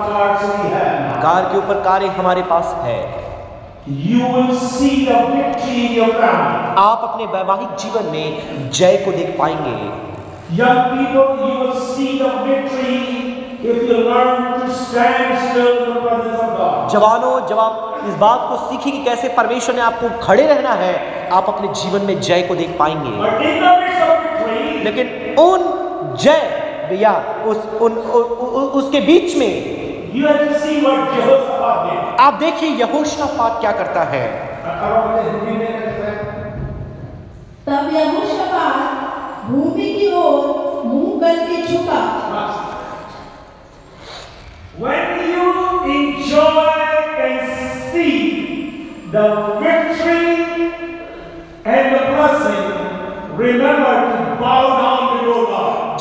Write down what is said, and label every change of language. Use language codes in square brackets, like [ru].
[hi] Car के ऊपर car हमारे पास है। [en] You will see the victory in your family. [hi] आप अपने वैवाहिक जीवन में जय को देख पाएंगे। [en] Young people, you will see the victory if you learn to stand still in the presence of God. [hi] जवानों, जब आप इस बात को सीखेंगे कि कैसे परमेश्वर ने आपको खड़े रहना है, आप अपने जीवन में जय को देख पाएंगे। [en] But in the midst of victory, [hi] लेकिन उन जय या उसके बीच में [en] you have to see what Jehoshaphat did. [hi] आप देखिए यहोशाफात क्या करता है। तब यहोशाफात भूमि की ओर मुंह करके झुका। [en] When you enjoy and see the victory and the blessing, remember to bow down before God.